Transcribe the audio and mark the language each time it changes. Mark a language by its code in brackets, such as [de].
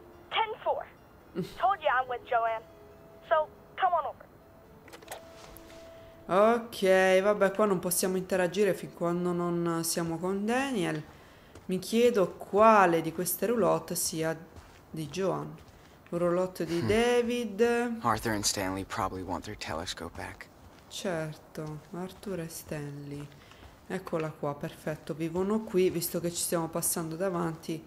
[en] 10-4. Told you I'm with Joanne. So, come on over. [it] Ok, vabbè, qua non possiamo interagire fin quando non siamo con Daniel. Mi chiedo quale di queste roulotte sia di Joanne. Un roulotte di David. [en] Arthur and Stanley probably want their telescope back. [it] Certo, Arthur e Stanley. Eccola qua, perfetto. Vivono qui, visto che ci stiamo passando davanti.